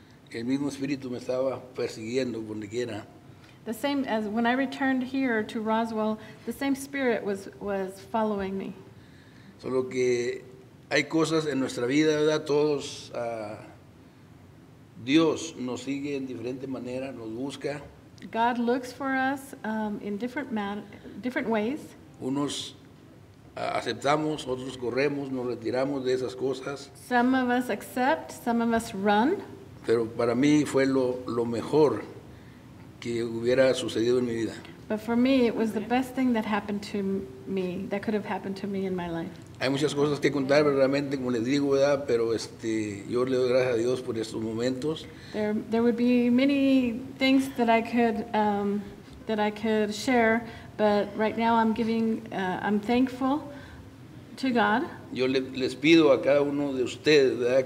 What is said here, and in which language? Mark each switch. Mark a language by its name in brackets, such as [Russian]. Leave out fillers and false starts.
[Spanish] El mismo espíritu me estaba persiguiendo donde quiera. [English] The same as when I returned here to Roswell, the same spirit was following me. [Spanish] Solo que hay cosas en nuestra vida, ¿verdad? Todos, Dios nos sigue en diferente manera, nos busca. [English] God looks for us in different ways. [Spanish] Unos aceptamos, otros corremos, nos retiramos de esas cosas. [English] Some of us accept, some of us run. [Spanish] Pero para mí fue lo mejor que hubiera sucedido en mi vida. [English] But for me, it was the best thing that happened to me, that could have happened to me in my life. [Spanish] Hay muchas cosas que contar, realmente, como les digo, ¿verdad? Pero yo le doy gracias a Dios por estos momentos. [English] There would be many things that I could share, but right now I'm thankful to God. [Spanish] Yo les pido a cada uno de ustedes, ¿verdad?